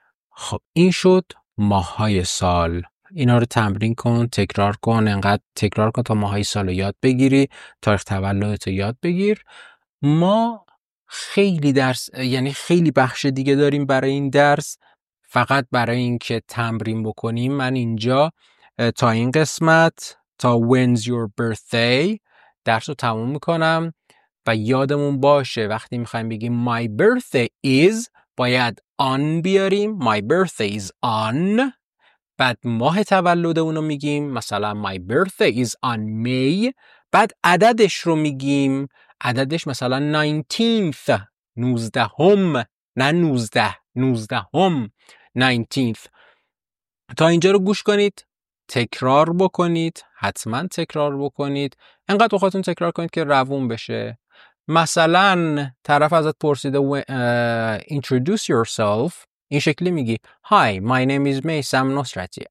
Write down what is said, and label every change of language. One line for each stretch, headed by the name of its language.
Persian: خب این شد ماهای سال. اینا رو تمرین کن، تکرار کن، انقدر تکرار کن تا ماهای سال رو یاد بگیری، تاریخ تولدت رو یاد بگیر. ما خیلی درس، یعنی خیلی بخش دیگه داریم برای این درس. فقط برای این که تمرین بکنیم، من اینجا تا این قسمت، تا
English: When's your birthday،
Persian: درس رو تموم میکنم. و یادمون باشه وقتی میخواییم بگیم
English: My birthday is،
Persian: باید on بیاریم،
English: my birthday is on،
Persian: بعد ماه تولد اونو میگیم، مثلا
English: my birthday is on May،
Persian: بعد عددش رو میگیم، عددش مثلا 19th، 19 هم، نه 19، 19 هم، 19th. تا اینجا رو گوش کنید، تکرار بکنید، حتما تکرار بکنید، انقدر تو خودتون تکرار کنید که روون بشه. مثلا طرف ازت پرسیده
English: introduce yourself،
Persian: این شکلی میگی
English: Hi, my name is Maysam Nosrati.